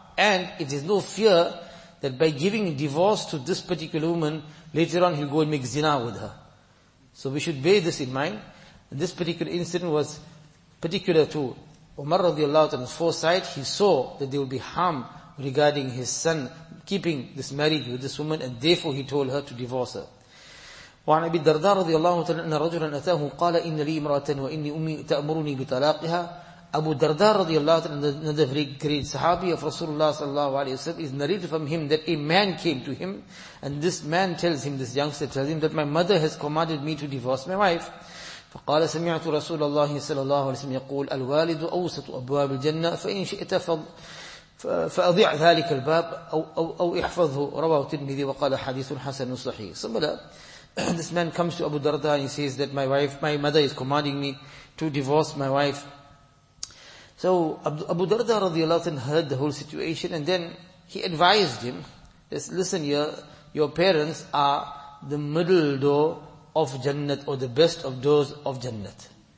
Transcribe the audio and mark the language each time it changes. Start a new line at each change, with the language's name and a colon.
English: And it is no fear that by giving divorce to this particular woman, later on he'll go and make zina with her. So we should bear this in mind. And this particular incident was particular to Umar radiallahu anhu's foresight, he saw that there will be harm regarding his son keeping this marriage with this woman, and therefore he told her to divorce her.
Arabic: وعن أبي الدرداء رضي الله عنه أن رجلا أتاه قال إن لي امرأة وإني أمي تأمرني بطلاقها.
English: Abu Darda radiallahu anhu, another very great Sahabi of Rasulullah sallallahu alayhi wa sallam, is narrated from him that a man came to him, and this man tells him, this youngster tells him, that my mother has commanded me to divorce my wife.
Arabic: فقال سمعت رسول الله صلى الله عليه وسلم يقول الوالد أوسط أبواب الجنة فإن شئت فأضع ذلك الباب أو احفظه. رواه الترمذي وقال حديث حسن صحيح.
English: This man comes to Abu Darda and he says that my mother is commanding me to divorce my wife. So Abu Darda radiallahu anhu heard the whole situation, and then he advised him, listen, your parents are the middle door of Jannat, or the best of doors of Jannat.